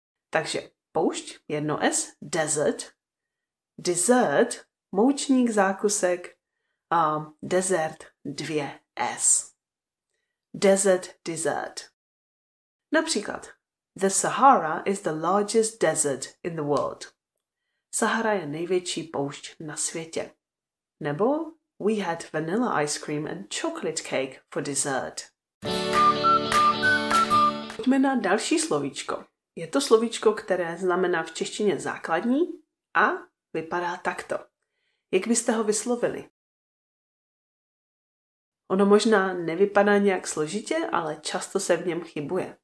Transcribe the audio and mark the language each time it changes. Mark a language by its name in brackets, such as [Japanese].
[Czech] Takže poušť, jedno S, desert. Dessert, moučník, zákusek a desert, dvě S. [English] Desert, dessert. [Czech] Například, [English] the Sahara is the largest desert in the world. [Czech] Sahara je největší poušť na světě. Nebo, [English] we had vanilla ice cream and chocolate cake for dessert. [Czech] Pojďme na další slovíčko. Je to slovíčko, které znamená v češtině základní a vypadá takto. Jak byste ho vyslovili? Ono možná nevypadá nějak složitě, ale často se v něm chybuje.